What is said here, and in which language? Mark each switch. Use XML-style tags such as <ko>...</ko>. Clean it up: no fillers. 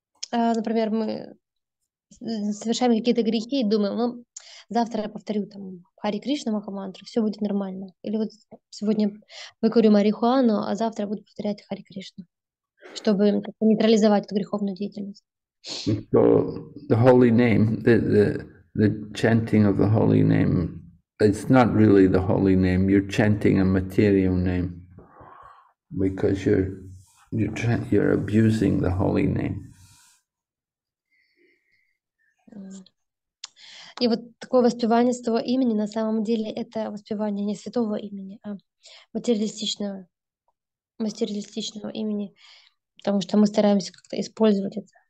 <ru>Например, мы совершаем какие-то грехи и думаем, ну, завтра я повторю там Хари Кришна Махамантру, все будет нормально. Или вот сегодня выкурю марихуану, а завтра буду повторять Хари Кришна, чтобы нейтрализовать эту греховную деятельность.</ru> <en>So, the holy name, the chanting of the holy name, it's not really the holy name, you're chanting a material name, because you're abusing the holy name.</en> <ru>И вот такое воспевание святого имени на самом деле это воспевание не святого имени, а материалистичного имени, потому что мы стараемся как-то использовать это.</ru>